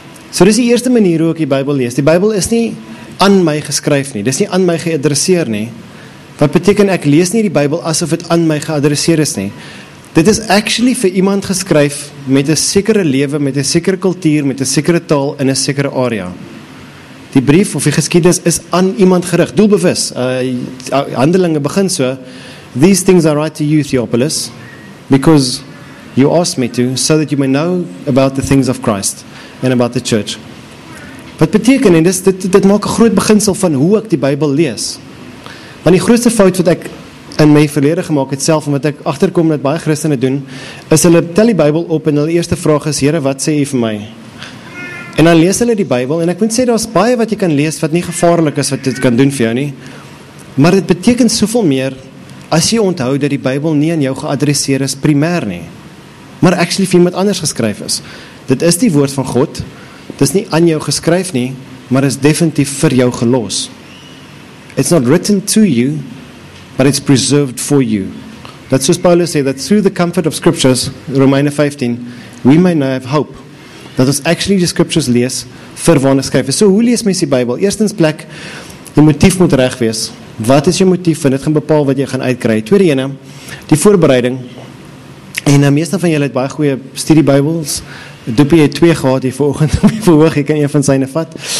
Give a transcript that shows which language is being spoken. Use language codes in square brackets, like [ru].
[af] So dis die eerste manier hoe ek die Bybel lees. Die Bybel is nie aan my geskryf nie, dis nie aan my geadresseer nie. Wat beteken ek lees nie die Bybel asof dit aan my geadresseer is nie. Dit is actually vir iemand geskryf met 'n sekere lewe, met 'n sekere kultuur, met 'n sekere taal in 'n sekere area. Die brief of die geskiedenis is aan iemand gerig, doelbewus. [en] Handelinge begin so: These things I write to you, Theophilus, because you asked me to, so that you may know about the things of Christ and about the church. [af] Wat beteken, en dit maak 'n groot beginsel van hoe ek die Bybel lees. Want die grootste fout wat ek in my verlede gemaak het self, en wat ek agterkom dat baie Christene doen, is hulle tel die Bybel op en hulle eerste vraag is: Here, wat sê u vir my? En dan lees hulle die Bybel, en ek moet sê, daar is baie wat jy kan lees wat nie gevaarlik is wat dit kan doen vir jou nie. Maar dit beteken soveel meer as jy onthou dat die Bybel nie aan jou geadresseer is primêr nie, maar actually vir iemand anders geskryf is. Dit is die woord van God, dit is nie aan jou geskryf nie, maar is definitief vir jou gelos. [en] It's not written to you, but it's preserved for you. That's what Paulus sê, that through the comfort of scriptures, Romeine 15, we may now have hope. [af] Dat ons actually die scriptures lees vir waarna skryf is. So hoe lees mens die Bybel? Eerstens plek, die motief moet reg wees. Wat is jou motief? En dit gaan bepaal wat jy gaan uitkry. Tweede ene, die voorbereiding. En nou, meeste van julle het baie goeie studiebybels. Doopie het 2 gehad hier vanoggend op die verhoog. Jy kan een van syne vat.